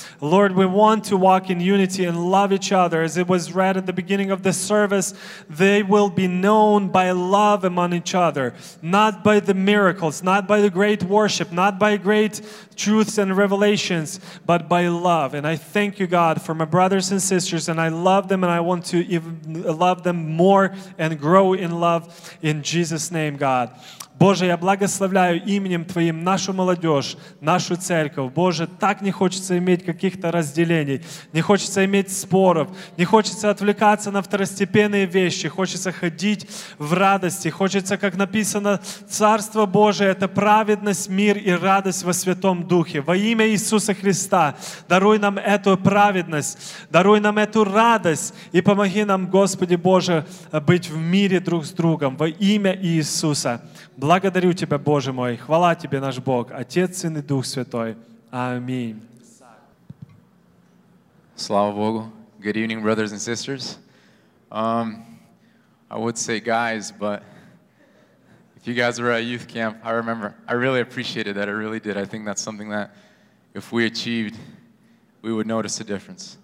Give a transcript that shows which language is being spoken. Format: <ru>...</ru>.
<en>Lord, we want to walk in unity and love each other. As it was read at the beginning of the service, they will be known by love among each other, not by the miracles, not by the great worship, not by great truths and revelations, but by love. And I thank you, God, for my brothers and sisters, and I love them, and I want to even love them more and grow in love in Jesus' name, God.</en> <ru>Боже, я благословляю именем Твоим нашу молодежь, нашу церковь. Боже, так не хочется иметь каких-то разделений, не хочется иметь споров, не хочется отвлекаться на второстепенные вещи, хочется ходить в радости, хочется, как написано, Царство Божие – это праведность, мир и радость во Святом Духе. Во имя Иисуса Христа даруй нам эту праведность, даруй нам эту радость и помоги нам, Господи Боже, быть в мире друг с другом во имя Иисуса. Благодарю Тебя, Боже мой. Хвала Тебе, наш Бог, Отец, Сын и Дух Святой. Аминь. Слава Богу.</ru> <en>Good evening, brothers and sisters. I would say guys, but if you guys were at youth camp, I remember, I really appreciated that, I really did. I think that's something that if we achieved, we would notice a difference.</en>